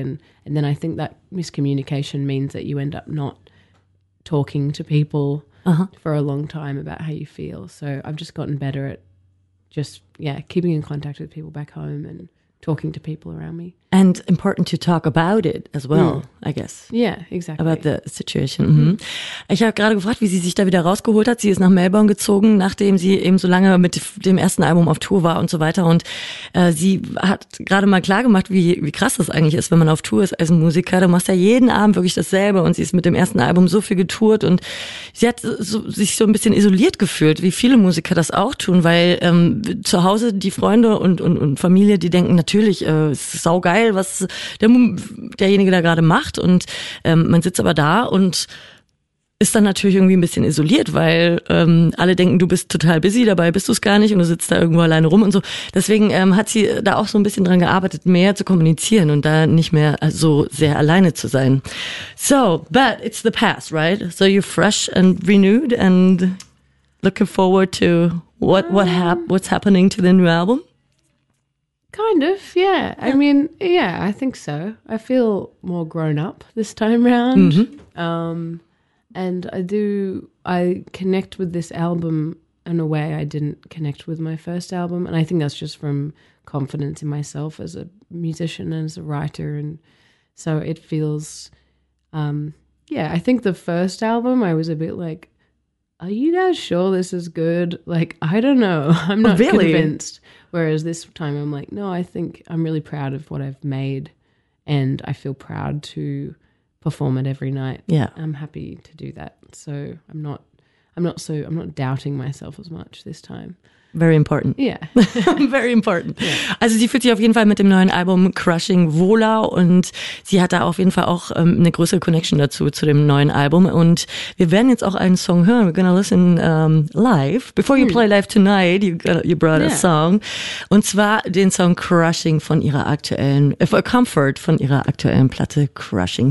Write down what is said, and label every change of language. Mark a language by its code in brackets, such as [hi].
[en] And then I think that miscommunication means that you end up not talking to people uh-huh. for a long time about how you feel. So I've just gotten better at just, yeah, keeping in contact with people back home and talking to people around me. And important to talk about it as well, I guess. Yeah, exactly. About the situation. Mm-hmm. [de] Ich habe gerade gefragt, wie sie sich da wieder rausgeholt hat. Sie ist nach Melbourne gezogen, nachdem sie eben so lange mit dem ersten Album auf Tour war und so weiter. Und sie hat gerade mal klargemacht, wie krass das eigentlich ist, wenn man auf Tour ist als Musiker. Du machst ja jeden Abend wirklich dasselbe. Und sie ist mit dem ersten Album so viel getourt. Und sie hat sich so ein bisschen isoliert gefühlt, wie viele Musiker das auch tun. Weil zu Hause die Freunde und Familie, die denken natürlich, es ist saugeil, was derjenige da gerade macht, und man sitzt aber da und ist dann natürlich irgendwie ein bisschen isoliert, weil alle denken, du bist total busy, dabei bist du es gar nicht, und du sitzt da irgendwo alleine rum und so. Deswegen hat sie da auch so ein bisschen dran gearbeitet, mehr zu kommunizieren und da nicht mehr so sehr alleine zu sein. [en] So, but it's the past, right? So you're fresh and renewed and looking forward to what's happening to the new album? Kind of, yeah. I mean, yeah, I think so. I feel more grown up this time around. Mm-hmm. And I connect with this album in a way I didn't connect with my first album. And I think that's just from confidence in myself as a musician and as a writer. And so it feels, I think the first album I was a bit like, are you guys sure this is good? Like, I don't know. I'm not really convinced. Whereas this time I'm like, no, I think I'm really proud of what I've made and I feel proud to perform it every night. Yeah. I'm happy to do that. So I'm not doubting myself as much this time. Very important. Yeah. Very important. Yeah. [de] Also sie fühlt sich auf jeden Fall mit dem neuen Album Crushing wohler, und sie hat da auf jeden Fall auch eine größere Connection dazu, zu dem neuen Album. Und wir werden jetzt auch einen Song hören. [en] We're going to listen live. Before you play live tonight, you brought a song. [de] Und zwar den Song Crushing von ihrer aktuellen, for Comfort von ihrer aktuellen Platte Crushing.